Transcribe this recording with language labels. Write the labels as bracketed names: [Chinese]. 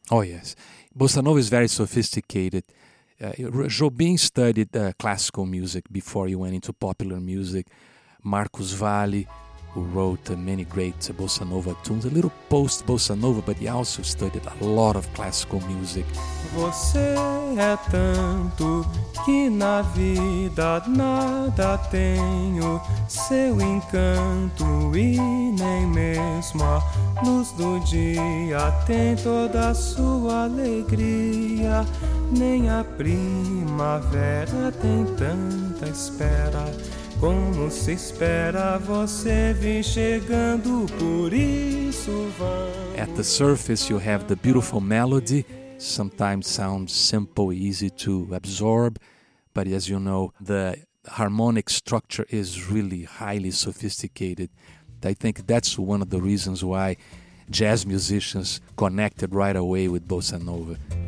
[English] Oh, yes. Bossa nova is very sophisticated. Jobim studied classical music before he went into popular music. Marcos Valle, who wrote many great bossa nova tunes, a little post-bossa nova, but he also studied a lot of classical music. [Portuguese] Você é tanto que na vida nada tenho seu encanto e nem mesmo a luz do dia tem toda a sua alegria, nem a primavera tem tanta espera. Como se espera, você vem chegando, por isso vamos. [English] At the surface, you have the beautiful melody, sometimes sounds simple, easy to absorb, but as you know, the harmonic structure is really highly sophisticated. I think that's one of the reasons why jazz musicians connected right away with bossa nova.